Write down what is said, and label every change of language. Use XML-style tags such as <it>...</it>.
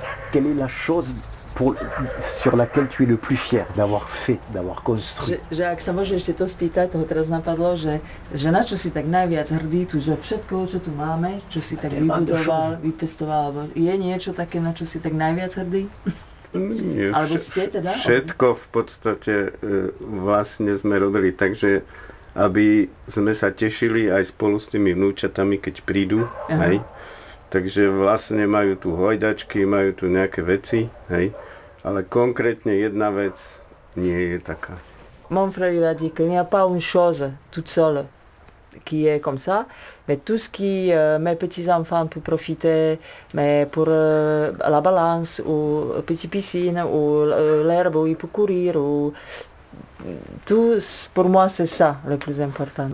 <fr>Quelle est la chose pour, sur laquelle tu es le plus fier d'avoir fait, d'avoir construit?</fr> <sk>Že ak sa môže ešte to spýtať, toho teraz napadlo, že na čo si tak najviac hrdý, tu, že všetko, čo tu máme, čo si tak vybudoval, vypestoval, alebo je niečo také, na čo si tak najviac hrdý? Nie, alebo ste teda? Všetko v podstate vlastne sme robili, takže aby sme sa tešili aj spolu s tými vnúčatami, keď prídu, hej. Takže vlastne majú tu hojdačky, majú tu nejaké veci, hej. Ale konkrétne jedna vec nie je taká.</sk> <fr>Mon frère il a dit qu'il n'y a pas une chose toute seule qui est comme ça, mais tout ce qui mes petits-enfants peuvent profiter, mais pour la balance ou petite piscine ou l'herbe où ils peuvent courir ou tout, pour moi c'est ça le plus important.</fr>